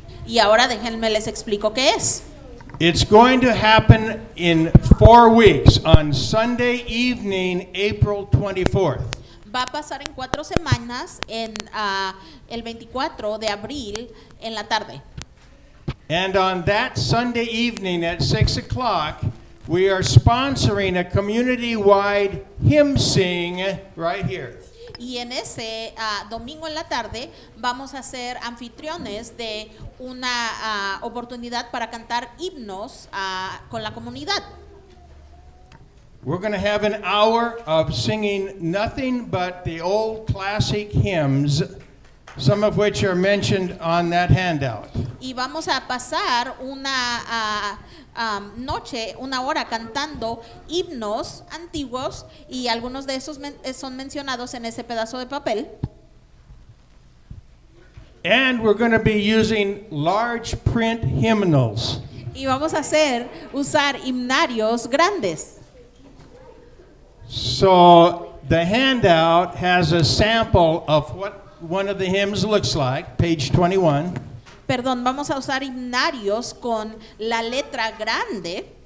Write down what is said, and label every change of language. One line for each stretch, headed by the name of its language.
Spanish: Y ahora déjenme les explico qué es.
English: It's going to happen in 4 weeks on Sunday evening, April 24th.
Spanish: Va a pasar en 4 semanas en el 24 de abril en la tarde.
English: And on that Sunday evening at 6 o'clock, we are sponsoring a community-wide hymn sing right here.
Spanish: Y en ese domingo en la tarde vamos a ser anfitriones de una oportunidad para cantar himnos con la comunidad.
English: We're going to have an hour of singing nothing but the old classic hymns, some of which are mentioned on that handout.
Spanish: Y vamos a pasar una noche, una hora cantando himnos antiguos y algunos de esos son mencionados en ese pedazo de papel.
English: And we're going to be using large print hymnals.
Spanish: Y vamos a usar himnarios grandes.
English: So the handout has a sample of what one of the hymns looks like, page 21.
Spanish: Perdón, vamos a usar himnarios con la letra grande.